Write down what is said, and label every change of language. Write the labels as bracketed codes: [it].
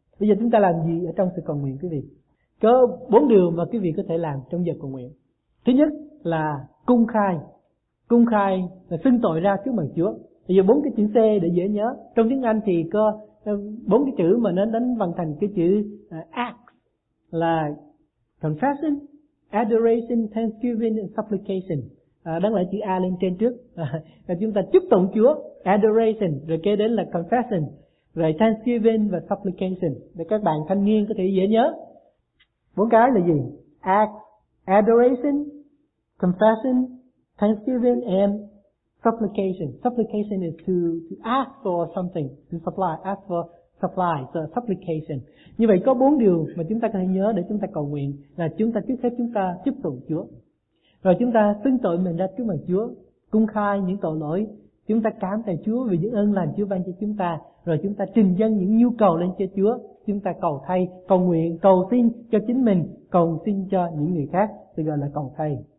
[vi] Bây giờ chúng ta làm gì ở trong sự cầu nguyện quý vị? Có 4 điều mà quý vị có thể làm trong giờ cầu nguyện. Thứ nhất là cung khai. Cung khai là xưng tội ra trước mặt Chúa. Bây giờ 4 cái chữ C để dễ nhớ. Trong tiếng Anh thì có 4 cái chữ mà nó đánh vần thành cái chữ act. [en] là confession, adoration, thanksgiving and supplication. [vi] Đăng lại chữ A lên trên trước. Và chúng ta chúc tụng Chúa, adoration, rồi kế đến là confession, rồi thanksgiving và supplication. Để các bạn thanh niên có thể dễ nhớ. Bốn cái là gì? [en] Act, adoration, confession, thanksgiving and supplication. Supplication is to ask for something, to supply, ask for supply, so supplication. [vi] Như vậy có bốn điều mà chúng ta cần nhớ để chúng ta cầu nguyện là chúng ta trước hết chúng ta chúc tụng Chúa. Rồi chúng ta xưng tội mình ra trước mặt Chúa, công khai những tội lỗi, chúng ta cảm tạ Chúa vì những ơn lành Chúa ban cho chúng ta, rồi chúng ta trình dâng những nhu cầu lên cho Chúa, chúng ta cầu thay, cầu nguyện, cầu xin cho chính mình, cầu xin cho những người khác, thì gọi là cầu thay.